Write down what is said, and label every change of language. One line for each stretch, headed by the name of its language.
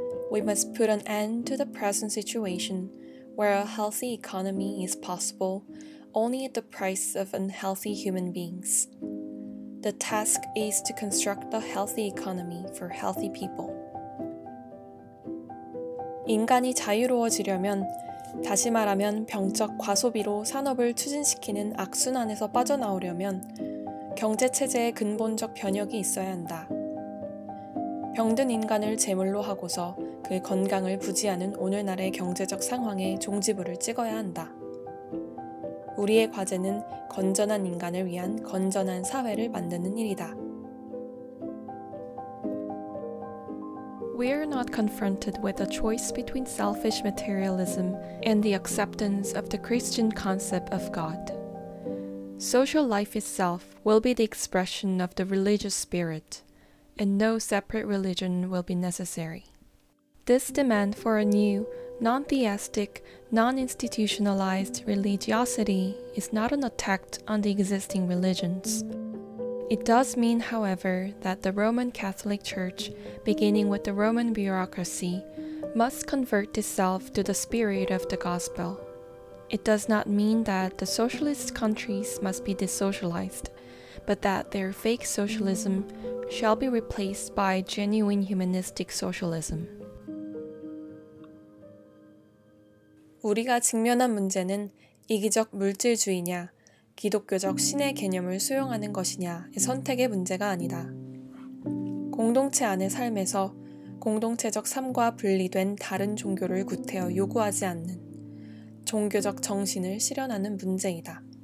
English: We must put an end to the present situation where a healthy economy is possible only at the price of unhealthy human beings. The task is to construct a healthy economy for healthy people.
Korean: 인간이 자유로워지려면 다시 말하면 병적 과소비로 산업을 추진시키는 악순환에서 빠져나오려면 경제체제의 근본적 변혁이 있어야 한다. 병든 인간을 제물로 하고서 그 건강을 부지하는 오늘날의 경제적 상황에 종지부를 찍어야 한다. 우리의 과제는 건전한 인간을 위한 건전한 사회를 만드는 일이다.
English: We are not confronted with a choice between selfish materialism and the acceptance of the Christian concept of God. Social life itself will be the expression of the religious spirit, and no separate religion will be necessary. This demand for a new, non-theistic, non-institutionalized religiosity is not an attack on the existing religions. It does mean, however, that the Roman Catholic Church, beginning with the Roman bureaucracy, must convert itself to the spirit of the gospel. It does not mean that the socialist countries must be desocialized, but that their fake socialism shall be replaced by genuine humanistic socialism.
Korean: 우리가 직면한 문제는 이기적 물질주의냐, 기독교적 신의 개념을 수용하는 것이냐의 선택의 문제가 아니다. 공동체 안의 삶에서 공동체적 삶과 분리된 다른 종교를 구태여 요구하지 않는 종교적 정신을 실현하는 문제이다.